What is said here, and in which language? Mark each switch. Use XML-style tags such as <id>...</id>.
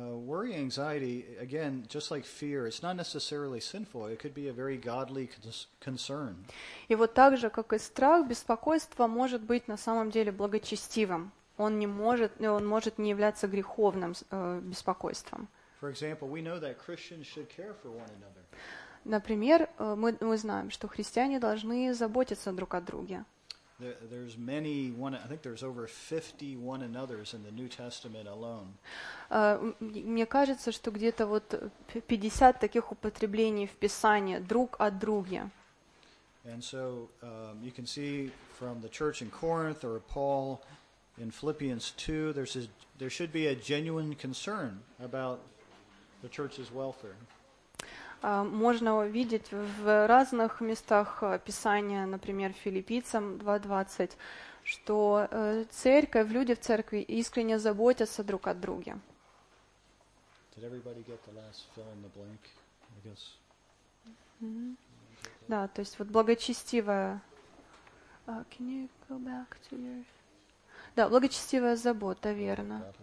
<en>Worry, anxiety, again, just like fear, it's not necessarily sinful. It could be a very godly concern.</en> <ru>И вот так же, как и страх, беспокойство может быть на самом деле благочестивым. Он может не являться греховным беспокойством.</ru> <en>For example, we know that Christians should care for one another.</en> <ru>Например, мы знаем, что христиане должны заботиться друг о друге.</ru> <en>There's many one. I think there's over 50 one another's in the New Testament alone.</en> <ru>Мне кажется, что где-то вот 50 таких употреблений в Писании друг о друге.</ru> <en>And so you can see from the church in Corinth or Paul in Philippians 2, there should be a genuine concern about the church's welfare.</en> <ru>Можно увидеть в разных местах Писания, например, Филиппийцам 2:20, что церковь, люди в церкви искренне заботятся друг о друге.</ru> <en>Did everybody get the last fill in the blank, I guess?</en> <ru>Да, то есть вот благочестивая...</ru> <en>Can you go back to your...</en> <ru>Да, благочестивая забота, верно.</ru>